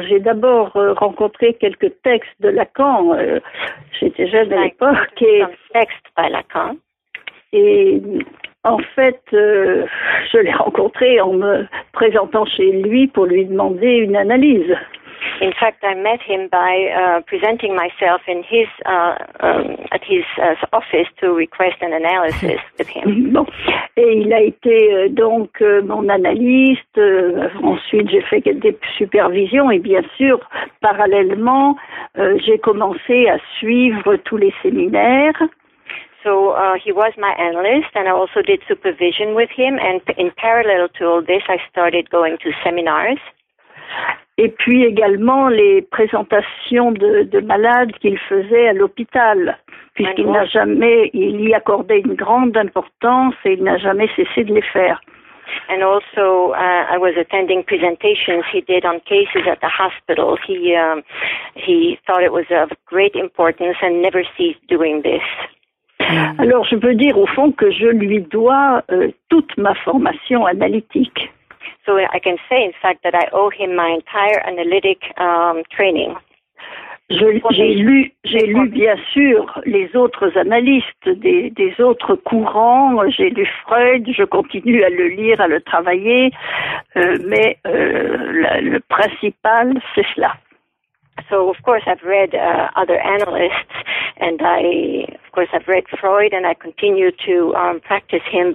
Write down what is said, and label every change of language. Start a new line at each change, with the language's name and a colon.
French: J'ai d'abord rencontré quelques textes de Lacan. J'étais jeune à l'époque. Et texte par Lacan. Et en fait, je l'ai rencontré en me présentant chez lui pour lui demander une analyse.
English: In fact, I met him by presenting myself in his at his office to request an analysis with him.
French: Bon, et il a été donc mon analyste. Ensuite, j'ai fait des supervisions et bien sûr, parallèlement, j'ai commencé à suivre tous les séminaires.
English: So he was my analyst, and I also did supervision with him. And in parallel to all this, I started going to seminars.
French: Et puis également les présentations de malades qu'il faisait à l'hôpital, puisqu'il n'a jamais, il y accordait une grande importance et il n'a jamais cessé de les faire.
English: And also, I was attending presentations he did on cases at the hospital. He thought it was of great importance and never ceased doing this.
French: Alors je peux dire au fond que je lui dois toute ma formation analytique.
English: So I can say, in fact, that I owe him my entire analytic training.
French: J'ai lu bien sûr les autres analystes des autres courants. J'ai lu Freud. Je continue à le lire, à le travailler. Mais le principal, c'est cela.
English: So of course I've read other analysts, and I've read Freud, and I continue to practice him.